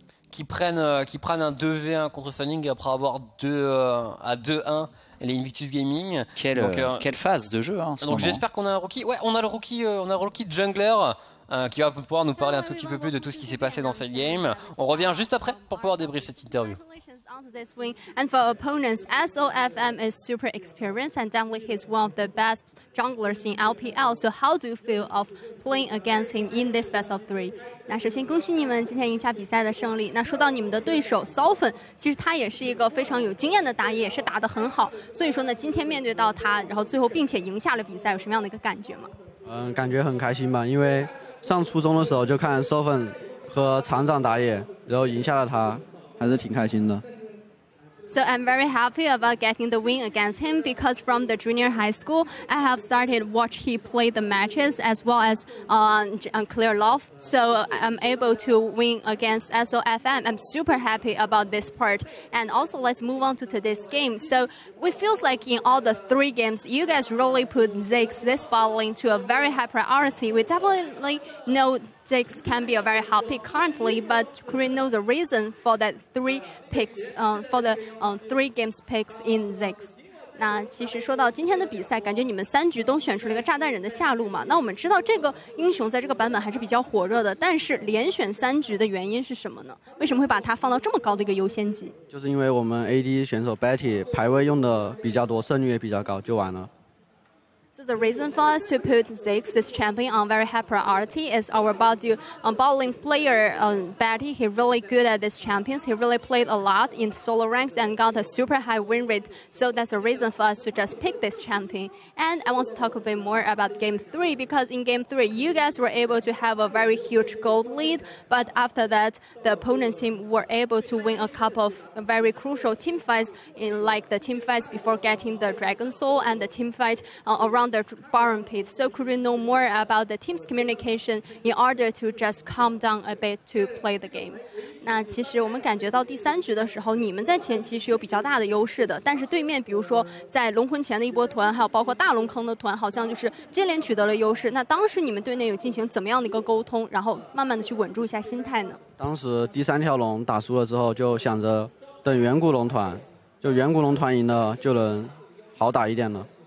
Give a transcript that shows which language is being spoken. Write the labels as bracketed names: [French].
[French] Qui prennent un 2v1 contre Sunning après avoir 2-1 les Invictus Gaming. Quelle phase de jeu, hein, donc moment. J'espère qu'on a un rookie. Ouais, on a le rookie, jungler qui va pouvoir nous parler un tout petit peu plus de tout ce qui s'est passé dans cette game. On revient juste après pour pouvoir débriefer cette interview. [English] Onto this wing, and for opponents, SOFM is super experienced, and definitely he's one of the best junglers in LPL. So how do you feel of playing against him in this best of three? [Chinese] 那首先恭喜你们今天赢下比赛的胜利。那说到你们的对手 Solfen， 其实他也是一个非常有经验的打野，也是打得很好。所以说呢，今天面对到他，然后最后并且赢下了比赛，有什么样的一个感觉吗？感觉很开心吧，因为上初中的时候就看 Solfen 和厂长打野，然后赢下了他，还是挺开心的。 [English] So I'm very happy about getting the win against him, because from the junior high school, I have started watch he play the matches as well as Clear Love. So I'm able to win against SOFM. I'm super happy about this part. And also, let's move on to today's game. So it feels like in all the three games, you guys really put Zeke's this battling to a very high priority. We definitely know Zix can be a very hot pick currently, but Korean knows the reason for that three picks, for the three games picks in Zix. [Chinese] 那其实说到今天的比赛，感觉你们三局都选出了一个炸弹人的下路嘛。那我们知道这个英雄在这个版本还是比较火热的，但是连选三局的原因是什么呢？为什么会把它放到这么高的一个优先级？就是因为我们 AD 选手 Betty 排位用的比较多，胜率也比较高，就完了。 [English] So the reason for us to put Zix, this champion, on very high priority is our bottling player, Betty. He's really good at these champions. He really played a lot in solo ranks and got a super high win rate. So that's the reason for us to just pick this champion. And I want to talk a bit more about Game 3, because in Game 3, you guys were able to have a very huge gold lead. But after that, the opponent's team were able to win a couple of very crucial team fights, in like the team fights before getting the Dragon Soul and the team fight around the Baron pit. So could we know more about the team's communication in order to just calm down a bit to play the game? [Chinese] 那其实我们感觉到第三局的时候，你们在前期是有比较大的优势的，但是对面比如说在龙魂前的一波团，还有包括大龙坑的团，好像就是接连取得了优势。那当时你们队内有进行怎么样的一个沟通，然后慢慢的去稳住一下心态呢？当时第三条龙打输了之后，就想着等远古龙团，就远古龙团赢了就能好打一点了。